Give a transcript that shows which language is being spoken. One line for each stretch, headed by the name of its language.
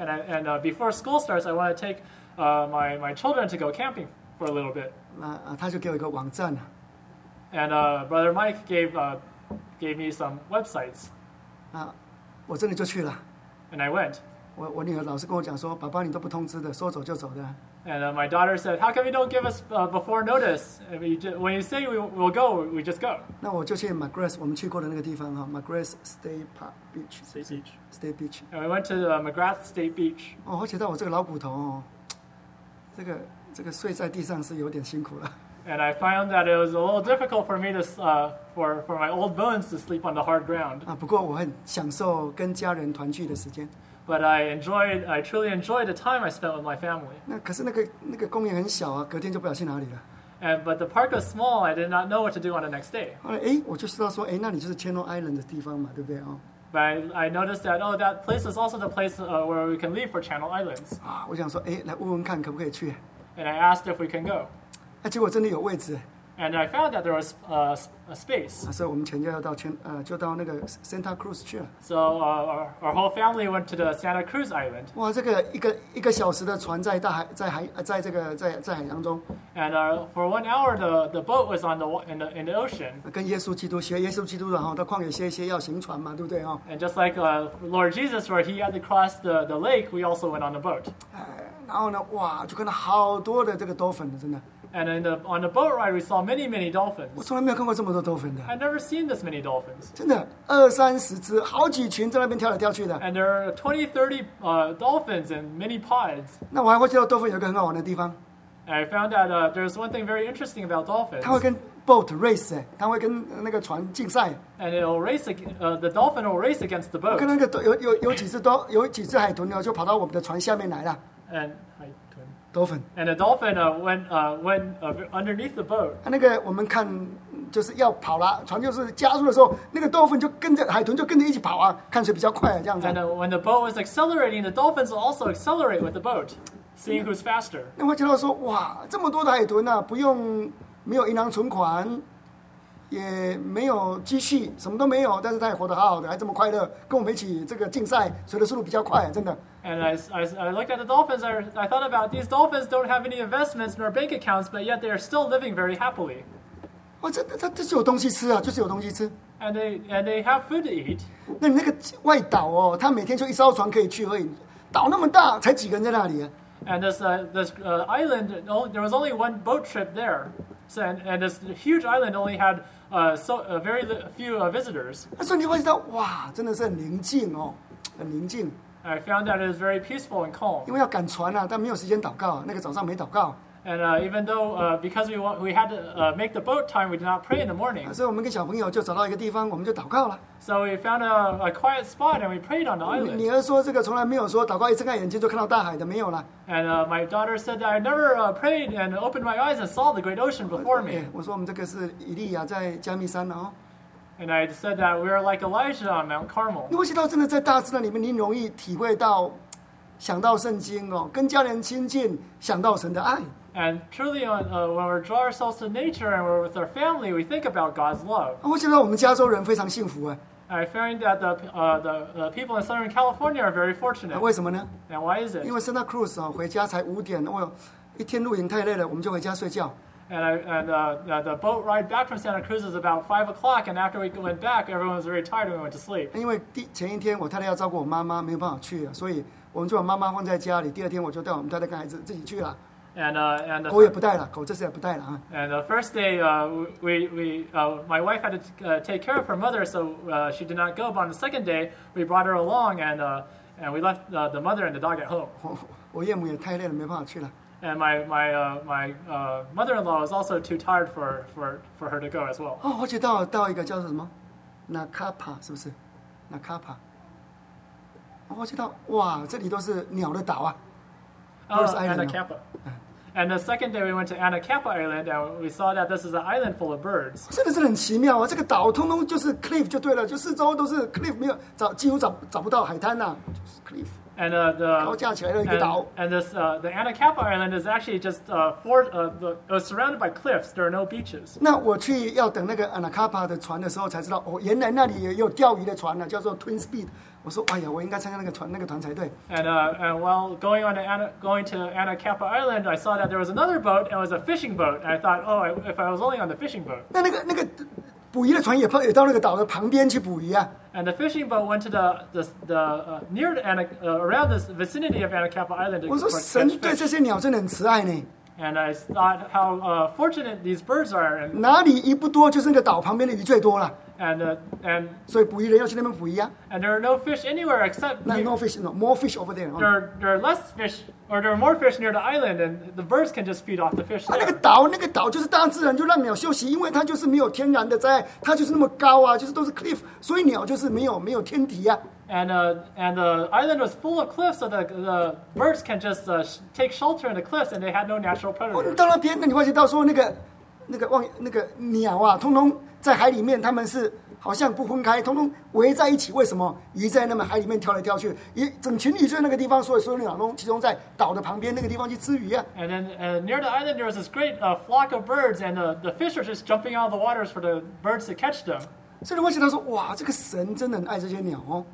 English: And before school starts, I want to take my children to go camping for a little bit.
Chinese: 他就给我一个网站。
English: And Brother Mike gave me some websites.
Chinese: 我真的就去了。
English: And I went.
Chinese: 我女儿老是跟我讲说，爸爸你都不通知的，说走就走的。
English: And my daughter said, "How come you don't give us before notice? I mean, when you say we'll go, we just go."
Chinese: 那我就去 McGrath 我们去过的那个地方哈 ，McGrath
English: State Beach. And we went to McGrath State Beach.
Chinese: 哦，而且到我这个老骨头哦，这个睡在地上是有点辛苦了。
English: And I found that it was a little difficult for me to for my old bones to sleep on the hard ground.
Chinese: 不过我很享受跟家人团聚的时间。
English: But I truly enjoyed the time I spent with my family.
Chinese: 那可是那个公园很小啊，隔天就不晓得去哪里了。
English: And but the park was small. I did not know what to do on the next day.
Chinese: 后来哎，我就知道说，哎，那里就是 Channel Island 的地方嘛，对不对啊、哦、
English: ？But I noticed that oh, that place is also the place where we can leave for Channel Islands.
Chinese: 我想说，哎，来问问看可不可以去。
English: And I asked if we can go.
Chinese: 结果真的有位置。
English: And I found that there was a space.
Chinese: 所以我们全家要到就到那个 Santa Cruz 去了。
English: So our whole family went to the Santa Cruz Island.
Chinese: 哇，这个一个小时的船在大海，在这个在海洋中。
English: And for one hour, the boat was in the ocean.
Chinese: 跟耶稣基督学耶稣基督，然后到旷野歇一歇，要行船嘛，对不对啊、哦、
English: ？And just like Lord Jesus, where he had to cross the lake, we also went on the boat.
Chinese: 然后呢，哇，就看到好多的这个 dolphin， 真的。
English: And on the boat ride, we saw many, many dolphins.
Chinese: 我从来没有看过这么多 dolphin 的。
English: I've never seen this many dolphins.
Chinese: 真的，二三十只，好几群在那边跳来跳去的。
English: And there are 20, 30 dolphins in many pods.
Chinese: 那我还会知道 dolphin 有个很好玩的地方。
English: And I found that there's one thing very interesting about dolphins.
Chinese: 它会跟
English: boat race
Chinese: 哎，它会跟那个船竞赛。
English: And it'll race the dolphin will race against the boat.
Chinese: 我看那个有几只海豚呢，就跑到我们的船下面来了。
English: And Dolphin. And a dolphin went underneath the boat.
Chinese: 那个我们看就是要跑了，船就是加速的时候，那个 dolphin 就跟着海豚就跟着一起跑啊，看谁比较快啊，这样子。
English: And when the boat was accelerating, the dolphins will also accelerate with the boat, seeing who's faster.
Chinese: 那我觉得说，哇，这么多的海豚啊，不用没有银行存款，也没有积蓄，什么都没有，但是他也活得好好的，还这么快乐，跟我们一起这个竞赛，谁的速度比较快，真的。
English: And I looked at the dolphins. I thought about these dolphins don't have any investments nor bank accounts, but yet they are still living very happily.
Chinese: 哇，这是有东西吃啊，就是有东西吃。
English: And they have food to eat.
Chinese: 那你那个外岛哦，他每天就一艘船可以去而已，岛那么大，才几个人在那里、啊、
English: ？And this island, there was only one boat trip there. So, and this huge island only had very few visitors.
Chinese: 所以你会觉得哇，真的是很宁静哦，很宁静。
English: I found that it was very peaceful and calm.
Chinese: 因为要赶船啊，但没有时间祷告，那个早上没祷告。
English: And even though because we had to make the boat time, we did not pray in the morning.
Chinese: 所以我们跟小朋友就找到一个地方，我们就祷告了。
English: So we found a quiet spot and we prayed on the island.
Chinese: 女儿说这个从来没有说祷告一睁开眼睛就看到大海的，没有了。
English: And my daughter said that I never prayed and opened my eyes and saw the great ocean before me.
Chinese: 我说我们这个是以利亚在加密山哦。
English: And I said that we are like Elijah on Mount Carmel.
Chinese: 你会知道，真的在大自然里面，你容易体会到、想到圣经哦，跟家人亲近，想到神的爱。
English: And truly, when we draw ourselves to nature and we're with our family, we think about God's love.
Chinese: 我觉得我们加州人非常幸福哎。
English: I find that the people in Southern California are very fortunate.
Chinese: 为什么呢
English: ？And why is it?
Chinese: 因为 Santa Cruz 哦，回家才五点，我一天露营太累了，我们就回家睡觉。
English: The boat ride back from Santa Cruz is about 5 o'clock, and after we went back, everyone was very tired and we went to sleep.
Chinese: 因为第前一天我太太要照顾我妈妈，没有办法去，所以我们就把妈妈放在家里。第二天我就带我们太太跟孩子自己去了。
English: And
Chinese: 狗也不带了，狗这次也不带了啊。
English: And the first day, my wife had to take care of her mother, so she did not go. But on the second day, we brought her along, and we left the mother and the dog at home.
Chinese: 我岳母也太累了，没办法去了。
English: And my mother-in-law is also too tired for her to go as well.
Chinese: 哦，我去到一个叫做什么 ，Nakapa 是不是 ？Nakapa。哦，我去到哇，这里都是鸟的岛啊。
English: Anacapa. And the second day we went to Anacapa Island and we saw that this is an island full of birds.
Chinese: 真的是很奇妙啊，这个岛通通就是 cliff 就对了，就四周都是 cliff， 没有找几乎找不到海滩啊，就是 cliff。
English: And the Anacapa Island is actually just it was surrounded by cliffs. There are no beaches.
Chinese: 那我去要等那个 Anacapa 的船的时候才知道，哦，原来那里也有钓鱼的船呢，叫做 Twin Speed。我说，哎呀，我应该参加那个团才对。
English: And while going to Anacapa Island, I saw that there was another boat. It was a fishing boat. I thought, oh, if I was only on the fishing boat.
Chinese: 那个。捕鱼的船也到那个岛的旁边去捕鱼啊。
English: And the fishing boat went to around the vicinity of Anacapa Island.
Chinese: 我说神对这些鸟真的很慈爱呢。
English: And I thought how fortunate these birds are.
Chinese: 哪里鱼不多，就是那个岛旁边的鱼最多了。
English: And
Chinese: 所以捕鱼人要去那边捕鱼啊。
English: And there are no fish anywhere except. No fish. No more fish over there.、Oh. There are less fish, or there are more fish near the island, and the birds can just feed off the fish.、
Chinese: 啊、那个岛就是大自然，就让鸟休息，因为它就是没有天然的灾害，它就是那么高啊，就是都是 cliff， 所以鸟就是没有天敌啊。
English: And the island was full of cliffs, so the birds can just take shelter in the cliffs, and they had no natural predator.
Chinese: 你到那边，那你发现到说那个鸟啊，通通在海里面，他们是好像不分开，通通围在一起。为什么鱼在那么海里面跳来跳去？整群鱼在那个地方，所有鸟都集中在岛的旁边那个地方去吃鱼啊。 And then near the island, there was this great flock of birds, and the fish were just jumping out of the waters for the birds to catch them. 所以我想到说，哇，这个神真的很爱这些鸟哦。